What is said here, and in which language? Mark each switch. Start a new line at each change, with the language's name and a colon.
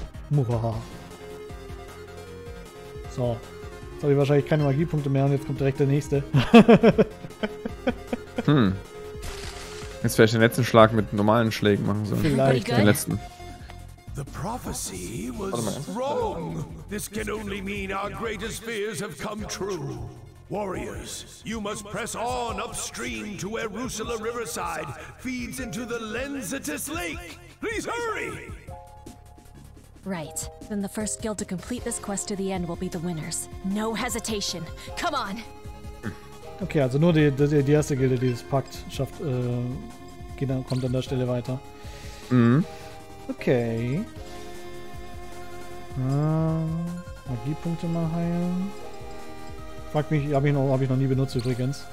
German: Muraha. So. Jetzt habe ich wahrscheinlich keine Magiepunkte mehr und jetzt kommt direkt der nächste. Jetzt vielleicht den letzten Schlag mit normalen Schlägen machen sollen. Vielleicht. Den letzten.
English: The prophecy was wrong. This can only mean our greatest fears have come true. Warriors, you must press on upstream to where Rusula Riverside feeds into the Lenzitas Lake. Please hurry! Right. Then the first guild to complete this quest to the end will be the winners. No hesitation. Come on!
German: Okay, also nur die erste Gilde, die es packt, schafft, kommt an der Stelle weiter. Okay. Magiepunkte mal heilen. Frag mich, hab ich noch nie benutzt übrigens.